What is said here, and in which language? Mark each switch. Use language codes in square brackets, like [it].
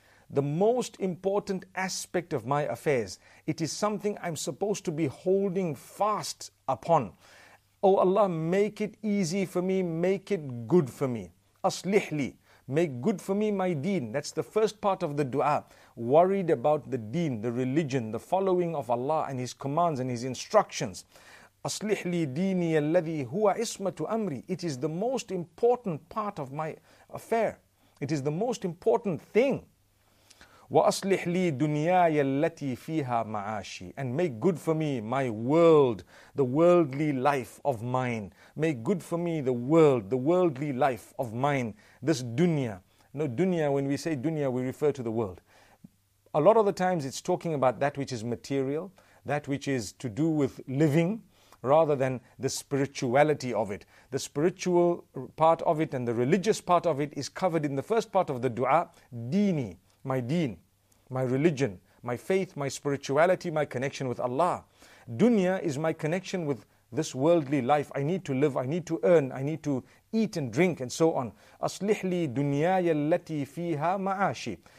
[en] The most important aspect of my affairs. It is something I'm supposed to be holding fast upon. O Allah, make it easy for me. Make it good for me. Aslih li. Make good for me my deen. That's the first part of the dua. Worried about the deen, the religion, the following of Allah and His commands and His instructions. [ar] أصلح لي ديني الذي هو عصمة أمري. [en] It is the most important part of my affair. It is the most important thing. [ar] وأصلح لي دنياي التي فيها معاشي. [en] And make good for me my world, the worldly life of mine. Make good for me the worldly life of mine. This dunya. No, dunya, when we say dunya, we refer to the world. A lot of the times it's talking about that which is material, that which is to do with living, rather than the spirituality of it. The spiritual part of it and the religious part of it is covered in the first part of the dua, dini. My deen, my religion, my faith, my spirituality, my connection with Allah. Dunya is my connection with this worldly life. I need to live, I need to earn, I need to eat and drink and so on. [ar] أصلح لي دنياي التي فيها معاشي.